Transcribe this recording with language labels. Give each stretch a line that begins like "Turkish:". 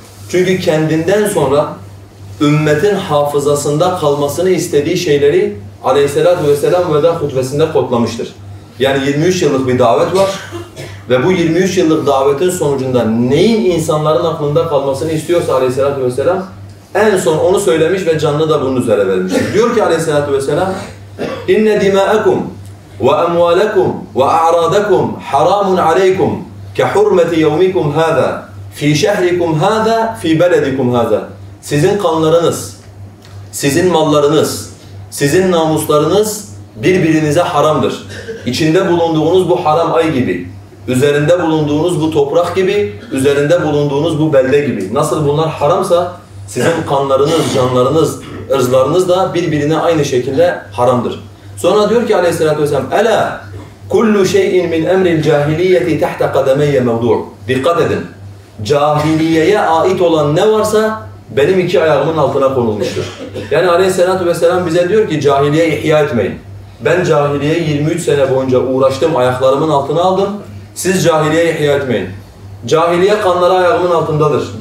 Turkish: Çünkü kendinden sonra ümmetin hafızasında kalmasını istediği şeyleri Aleyhisselatü Vesselam veda hutbesinde kodlamıştır. Yani 23 yıllık bir davet var ve bu 23 yıllık davetin sonucunda neyin insanların aklında kalmasını istiyorsa Aleyhisselatü Vesselam en son onu söylemiş ve canını da bunun üzere vermiştir. Diyor ki Aleyhisselatü Vesselam,
Arabic: اِنَّ دِمَاءَكُمْ وَأَمْوَالَكُمْ وَأَعْرَادَكُمْ حَرَامٌ عَلَيْكُمْ كَحُرْمَةِ يَوْمِكُمْ هَذَا فِي شَهْرِكُمْ هَذَا فِي بَلَدِكُمْ هَذَا.
Turkish: Sizin kanlarınız, sizin mallarınız, sizin namuslarınız birbirinize haramdır. İçinde bulunduğunuz bu haram ay gibi, üzerinde bulunduğunuz bu toprak gibi, üzerinde bulunduğunuz bu belde gibi. Nasıl bunlar haramsa, sizin kanlarınız, canlarınız, ırzlarınız da birbirine aynı şekilde haramdır. Sonra diyor ki Aleyhisselatü Vesselam,
Arabic: أَلَا كُلُّ شَيْءٍ مِنْ اَمْرِ الْجَاهِلِيَّةِ تَحْتَ قَدَمَيَّ مَوْضُعُ.
Turkish: Dikkat edin, cahiliyeye ait olan ne varsa benim iki ayağımın altına konulmuştur. Yani Aleyhisselatü Vesselam bize diyor ki cahiliye ihya etmeyin. Ben cahiliye 23 sene boyunca uğraştım, ayaklarımın altına aldım. Siz cahiliye ihya etmeyin. Cahiliye kanları ayağımın altındadır.